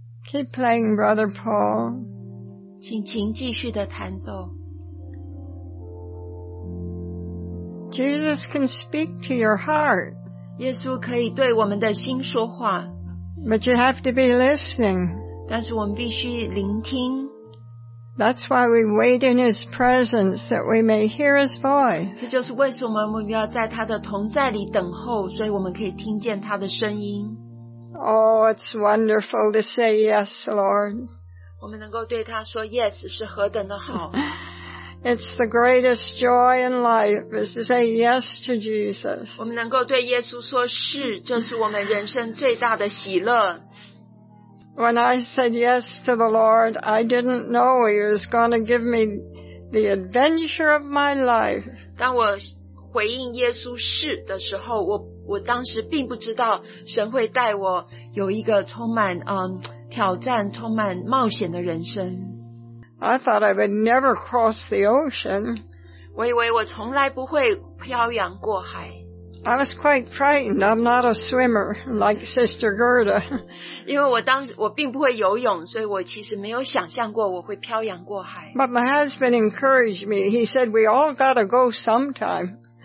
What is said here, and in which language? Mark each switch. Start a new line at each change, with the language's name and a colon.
English: Keep playing, Brother Paul.
Chinese: 请琴继续的弹奏。
English: Jesus can speak to your heart.
Chinese: 耶稣可以对我们的心说话。
English: But you have to be listening.
Chinese: 但是我们必须聆听。
English: That's why we wait in His presence, that we may hear His voice.
Chinese: 这就是为什么我们要在他的同在里等候，所以我们可以听见他的声音。
English: Oh, it's wonderful to say yes, Lord.
Chinese: 我们能够对他说 yes 是何等的好。
English: It's the greatest joy in life is to say yes to Jesus.
Chinese: 我们能够对耶稣说是，这是我们人生最大的喜乐。
English: When I said yes to the Lord, I didn't know He was going to give me the adventure of my life.
Chinese: 当我回应耶稣是的时候，我当时并不知道神会带我有一个充满挑战、充满冒险的人生。
English: I thought I would never cross the ocean.
Chinese: 我以为我从来不会漂洋过海。
English: I was quite frightened. I'm not a swimmer like Sister Gerda.
Chinese: 因为我并不会游泳，所以我其实没有想象过我会漂洋过海。
English: But my husband encouraged me. He said, we all got to go sometime.